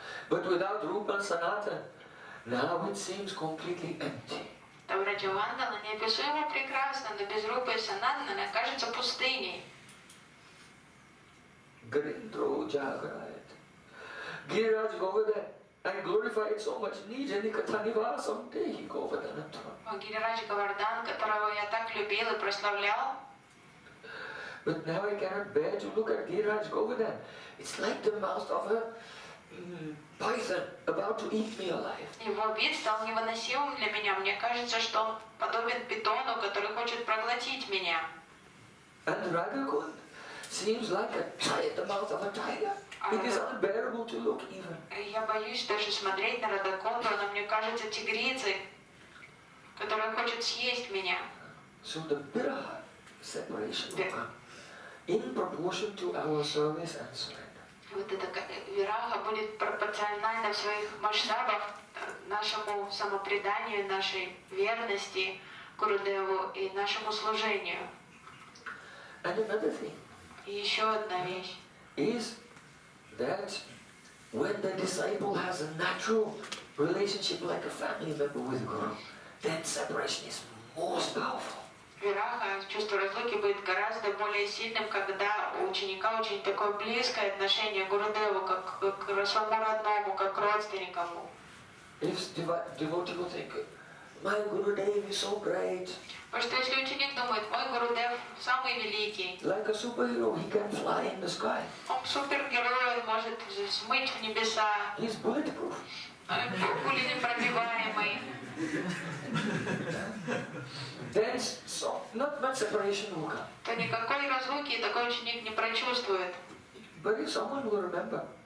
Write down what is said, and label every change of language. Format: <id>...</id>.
<en>But without Rupa and Sanatana, now it seems completely empty.</en> <ru>Brajamanda, но неописуемо прекрасно, но без Рупы и Санатана, она кажется пустыней. Гриндро Джаграет. Гирадж Говаде.</ru> <en>And glorified so much</en> <sa>Nija Nikatani Vasam Dehi Govardhanatva.</sa> <ru>Гирирадж Говардан, которого я так любил и прославлял.</ru> <en>But now I cannot bear to look at Гирирадж Говардан. It's like the mouth of a python about to eat me alive.</en> <ru>Его вид стал невыносимым для меня. Мне кажется, что он подобен питону, который хочет проглотить меня.</ru> <en>And Рагакунд seems like the mouth of a tiger. It is unbearable to look even.</en> <ru>Я боюсь даже смотреть на Радхаконду, она мне кажется тигрицей, которая хочет съесть меня.</ru> <en>So the biraha separation will come in proportion to our service and surrender.</en> <ru>Вот эта вираха будет пропорциональна в своих масштабах нашему самопреданию, нашей верности Гурудеву и нашему служению.</ru> <en>And another thing.</en> <ru>И еще одна вещь.</ru> <en>Is that when the disciple has a natural relationship like a family member with Guru, then separation is most powerful.</en> <ru>Вираха, чувство разлуки будет гораздо более сильным, когда у ученика очень такое близкое отношение к Гурудеву, как к самому родному, как к родственнику.</ru> <en>If devotee will think, My Guru Dev is so great.</en> <ru>Потому что если ученик думает, мой Гуру Дев самый великий.</ru> <en>Like a superhero, he can fly in the sky.</en> <ru>Он супергерой, он может взмыть в небеса.</ru> <en>He's bulletproof.</en> <ru>Пули непробиваемый.</ru> <en>Then, so, not much separation will come.</en> <ru>То никакой разлуки такой ученик не прочувствует.</ru> <en>But if someone will remember.</en>